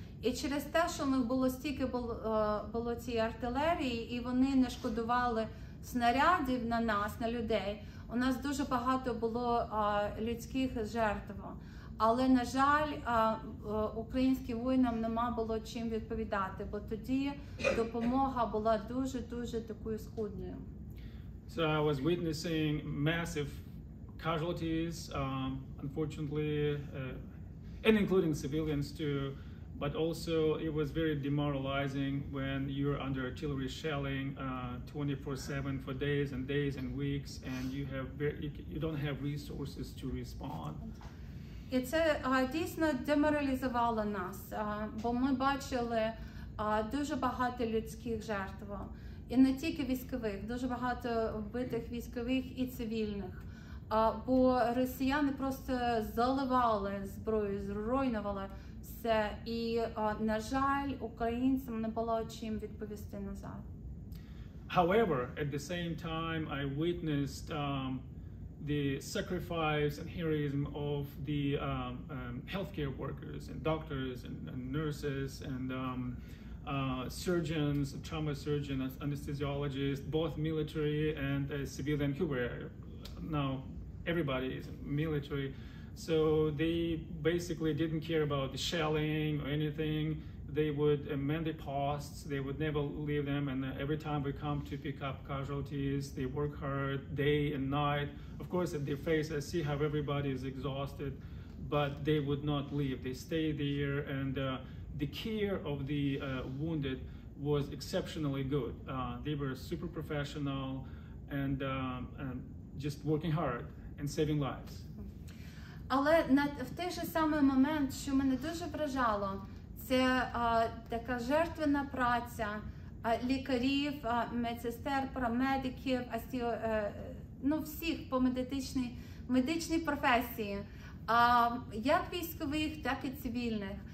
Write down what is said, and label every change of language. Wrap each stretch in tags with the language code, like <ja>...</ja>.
<uk>І через те, що у них було стільки було цієї артилерії, і вони не шкодували снарядів на нас, на людей, у нас дуже багато було людських жертв, але, на жаль, українським воїнам нема було чим відповідати, бо тоді допомога була дуже-дуже такою скудною.</uk> <en>So I was witnessing massive casualties, unfortunately, and including civilians too, but also it was very demoralizing when you're under artillery shelling 24/7 for days and days and weeks, and you have you don't have resources to respond.</en> <uk>І це дійсно деморалізувало нас, бо ми бачили дуже багато людських жертв, і не тільки військових, дуже багато вбитих військових і цивільних. Бо росіяни просто заливали зброю, зруйнували все, і, на жаль, українцям не було чим відповісти назад.</uk> <en>However, at the same time, I witnessed the sacrifice and heroism of the healthcare workers and doctors and nurses and surgeons, trauma surgeons, anesthesiologists, both military and civilian, who were now everybody is military, so they basically didn't care about the shelling or anything. They would mend the posts, they would never leave them, and every time we come to pick up casualties, they work hard day and night. Of course, at their face, I see how everybody is exhausted, but they would not leave. They stay there, and the care of the wounded was exceptionally good. They were super professional and just working hard and saving lives.</en> <uk>Але в той же самий момент, що мене дуже вражало, це така жертвена праця лікарів, медсестер, парамедиків, ну, всіх по медичній професії, як військових, так і цивільних.</uk>